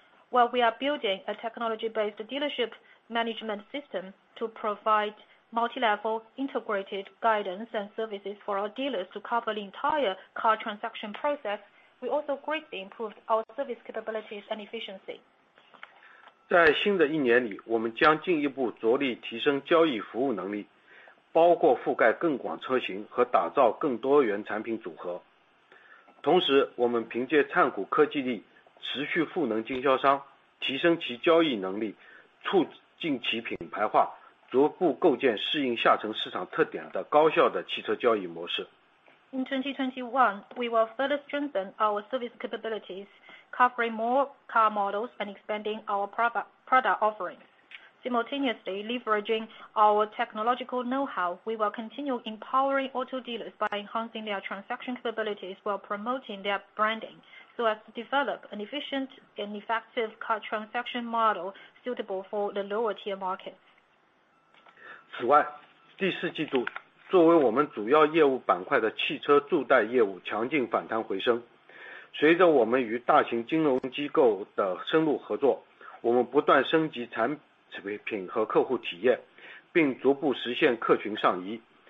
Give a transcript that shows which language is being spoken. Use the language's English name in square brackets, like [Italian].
[English] While we are building a technology-based dealership management system to provide multi-level integrated guidance and services for our dealers to cover the entire car transaction process, we also greatly improved our service capabilities and efficiency. [Chinese] 在新的一年里，我们将进一步着力提升交易服务能力。包括覆盖更广车型和打造更多元产品组合。同时，我们凭借Cango科技力持续赋能经销商，提升其交易能力，促进其品牌化，逐步构建适应下沉市场特点的高效的汽车交易模式。 [English] In 2021, we will further strengthen our service capabilities, covering more car models and expanding our product offerings. Simultaneously, leveraging our technological know-how, we will continue empowering auto dealers by enhancing their transaction capabilities while promoting their branding so as to develop an efficient and effective car transaction model suitable for the lower tier markets. [Chinese] 此外，第四季度，作为我们主要业务板块的汽车助贷业务强劲反弹回升。随着我们与大型金融机构的深入合作，我们不断升级产品和客户体验，并逐步实现客群上移。